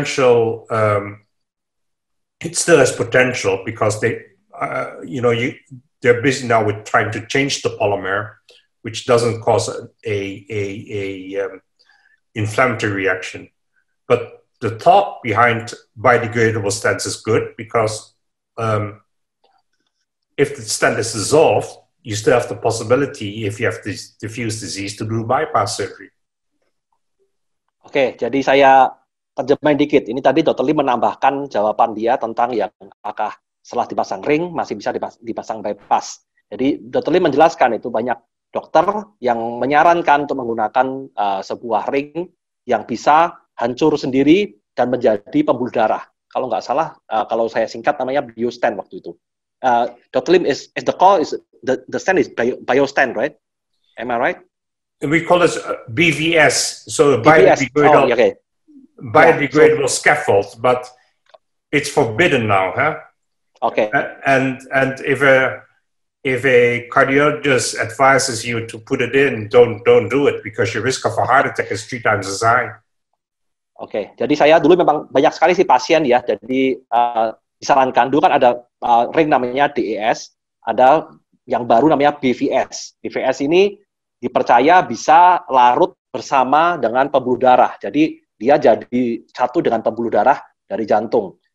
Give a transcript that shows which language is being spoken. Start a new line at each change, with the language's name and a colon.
English: It still has potential because they're busy now with trying to change the polymer, which doesn't cause a inflammatory reaction. But the thought behind biodegradable stents is good because if the stent is dissolved, you still have the possibility, if you have this diffuse disease, to do bypass surgery.
Indonesian: Oke, jadi saya terjemahin dikit. Ini tadi Dr. Lee menambahkan jawaban dia tentang yang apakah setelah dipasang ring masih bisa dipasang bypass. Jadi Dr. Lee menjelaskan itu banyak dokter yang menyarankan untuk menggunakan sebuah ring yang bisa hancur sendiri dan menjadi pembuluh darah. Kalau nggak salah, kalau saya singkat namanya biostent waktu itu.
English: Dr. Lim is the call is the stent is biostent, right? Am I right? We call this BVS, so biodegradable, oh, okay. Biodegradable, yeah. Scaffold, but it's forbidden now, huh? Okay. And if a cardiologist advises you to put it in, don't do it because your risk of a heart attack is 3 times as high. Oke, okay.
Indonesian: Jadi saya dulu memang banyak sekali sih pasien ya, jadi disarankan, dulu kan ada ring namanya DES, ada yang baru namanya BVS. BVS ini dipercaya bisa larut bersama dengan pembuluh darah, jadi dia jadi satu dengan pembuluh darah dari jantung.